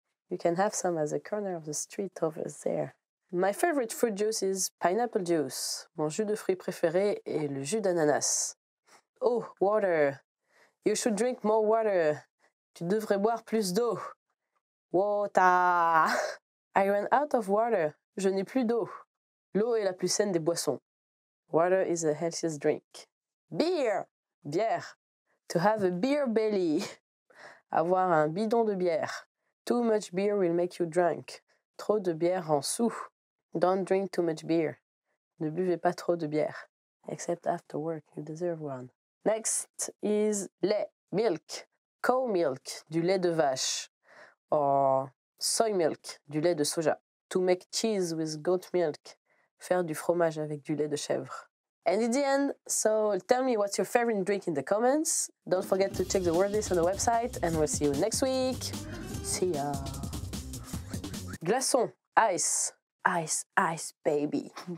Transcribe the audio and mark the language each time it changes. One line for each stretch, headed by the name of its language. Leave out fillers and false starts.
English: You can have some at the corner of the street over there. My favorite fruit juice is pineapple juice.
French: Mon jus de fruits préféré est le jus d'ananas.
English: Oh, water. You should drink more water.
French: Tu devrais boire plus d'eau. Water.
English: I ran out of water.
French: Je n'ai plus d'eau. L'eau est la plus saine des boissons.
English: Water is the healthiest drink. Beer. Bière. To have a beer belly.
French: Avoir un bidon de bière.
English: Too much beer will make you drunk.
French: Trop de bière rend saoul.
English: Don't drink too much beer.
French: Ne buvez pas trop de bière.
English: Except after work, you deserve one. Next is lait. Milk. Cow milk.
French: Du lait de vache.
English: Or soy milk,
French: du lait de soja.
English: To make cheese with goat milk.
French: Faire du fromage avec du lait de chèvre.
English: And in the end, so tell me what's your favorite drink in the comments. Don't forget to check the word list on the website and we'll see you next week. See ya. Glaçon, ice. Ice, ice, baby.